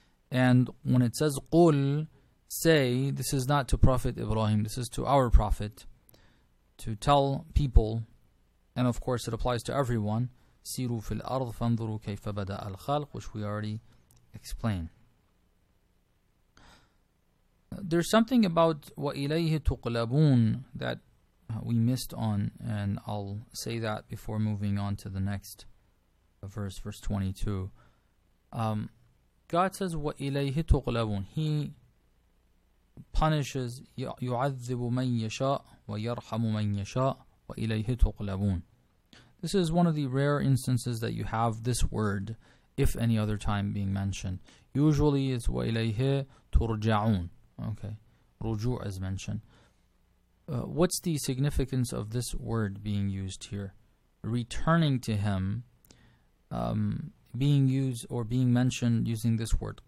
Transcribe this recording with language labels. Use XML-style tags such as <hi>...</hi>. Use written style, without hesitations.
<en>And when it says قُلْ, say, this is not to Prophet Ibrahim, this is to our Prophet, to tell people, and of course it applies to everyone,</en> <ar>سِيرُوا فِي الْأَرْضِ فَانْظُرُوا كَيْفَ بَدَأَ الْخَلْقِ,</ar> <en>which we already explained. There's something about</en> <ar>وَإِلَيْهِ تُقْلَبُونَ</ar> <en>that we missed on, and I'll say that before moving on to the next verse, verse 22. God says</en> <ar>وَإِلَيْهِ تُقْلَبُونَ,</ar> <en>He punishes,</en> <ar>يُعَذِّبُ مَنْ يَشَاءُ وَيَرْحَمُ مَنْ يَشَاءُ وَإِلَيْهِ تُقْلَبُونَ.</ar> <en>This is one of the rare instances that you have this word, if any other time, being mentioned. Usually it's</en> <ar>وَإِلَيْهِ تُرْجَعُونَ.</ar> <en>Okay, رجوع is mentioned. What's the significance of this word being used here? Returning to him, being used or being mentioned using this word.</en>